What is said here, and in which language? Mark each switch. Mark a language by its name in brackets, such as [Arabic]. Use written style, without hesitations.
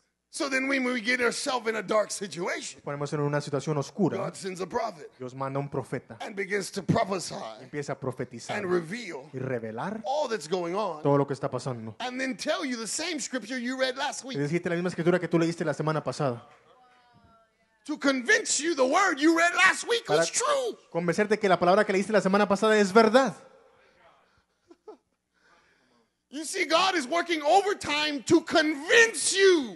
[English] So then we get ourselves in a dark situation. [Spanish] Ponemos en una situación oscura. [English] God sends a prophet. [Spanish] Dios manda un profeta. [English] And begins to prophesy. [Spanish] Empieza a profetizar. [English] And reveal. [Spanish] Y revelar. [English] All that's going on. [Spanish] Todo lo que está pasando. [English] And then tell you the same scripture you read last week. [Spanish] Y decirte la misma escritura que tú leíste la semana pasada. [English] To convince you the word you read last week was true. [Spanish] Convencerte que la palabra que leíste la semana pasada es verdad. [English] You see, God is working overtime to convince you.